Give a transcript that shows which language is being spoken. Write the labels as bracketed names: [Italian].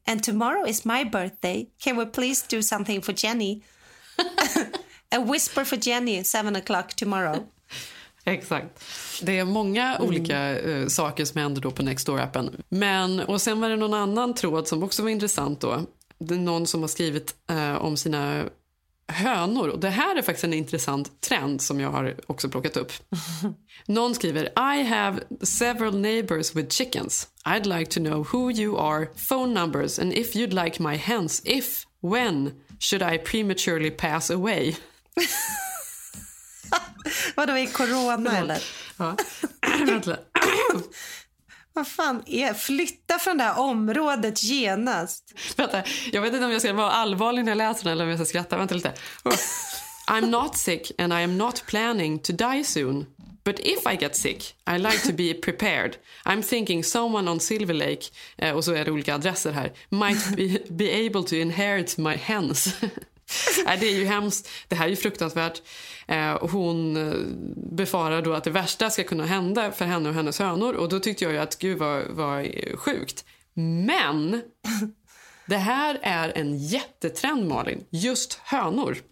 [English] And tomorrow is my birthday. Can we please do something for Jenny? A whisper for Jenny, 7 o'clock tomorrow. [Swedish] Exakt. Det är många olika saker som händer då på Nextdoor-appen. Men, och sen var det någon annan tråd som också var intressant då. Det är någon som har skrivit om sina hönor. Och det här är faktiskt en intressant trend som jag har också plockat upp. [English] Någon skriver: I have several neighbors with chickens. I'd like to know who you are, phone numbers and if you'd like my hens. If, when should I prematurely pass away? [Swedish] Vadå, är corona eller? Ja, vänta. Vad fan, flytta från det här området genast. Vänta, jag vet inte om jag ska vara allvarlig när jag läser den eller om jag ska skratta. Vänta lite. [English] I'm not sick and I am not planning to die soon. But if I get sick, I like to be prepared. I'm thinking someone on Silver Lake, och så är det olika adresser här, might be able to inherit my hens. [Swedish] Det är ju hemskt, det här är ju fruktansvärt. Hon befarar då att det värsta ska kunna hända för henne och hennes hönor. Och då tyckte jag ju att gud var sjukt. Men det här är en jättetrend, Malin, just hönor.